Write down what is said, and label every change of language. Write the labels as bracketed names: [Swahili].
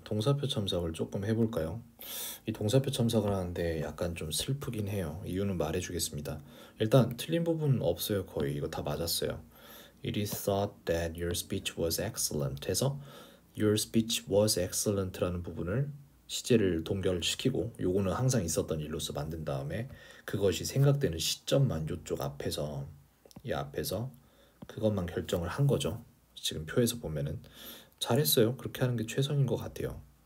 [Korean] 동사표 참석을 조금 해볼까요? 이 동사표 참석을 하는데 약간 좀 슬프긴 해요. 이유는 말해주겠습니다. 일단 틀린 부분 없어요. 거의 이거 다 맞았어요. [English] It is thought that your speech was excellent. [Korean] 해서 [English] your speech was excellent [Korean] 라는 부분을 시제를 동결시키고 요거는 항상 있었던 일로서 만든 다음에 그것이 생각되는 시점만 요쪽 앞에서 이 앞에서 그것만 결정을 한 거죠. 지금 표에서 보면은. 잘했어요. 그렇게 하는 게 최선인 것 같아요.